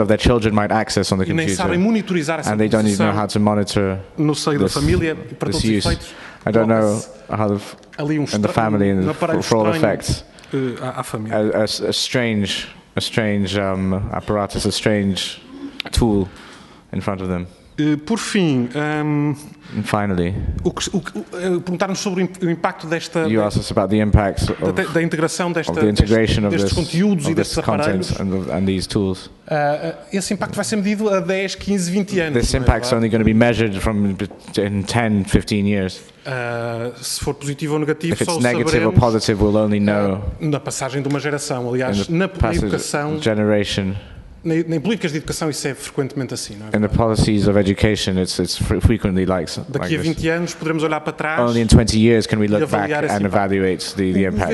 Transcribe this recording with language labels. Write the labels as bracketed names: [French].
[English] of their children might access on the computer [Portuguese] e nem sabem monitorizar essa [English] and they don't even know how to monitor [Portuguese] no seio da família para todos os efeitos [English] I don't know how in the family and for all effects [Portuguese] à família [English] a strange apparatus, a strange tool in front of them. [Portuguese] Por fim, [English] finally, [Portuguese] perguntar-nos sobre o impacto desta [English] you asked us about the impact [Portuguese] da integração desta, [English] of the integration of [Portuguese] destes conteúdos [English] of [Portuguese] e destes aparelhos [English] and these tools. [Portuguese] Esse impacto vai ser medido a 10, 15, 20 anos. [English] This impact is only going to be measured from in 10, 15 years. [Portuguese] Se for positivo ou negativo, [English] if it's [Portuguese] só [English] negative or positive, we'll only know [Portuguese] na passagem de uma geração, aliás, na educação. [English] Generation. [Portuguese] Nem políticas de educação isso é frequentemente assim, não é? [English] And the policies of education, it's frequently like [Portuguese] this. Daqui a 20 anos poderemos olhar para trás. [English] Only in 20 years can we look back and evaluate the impact.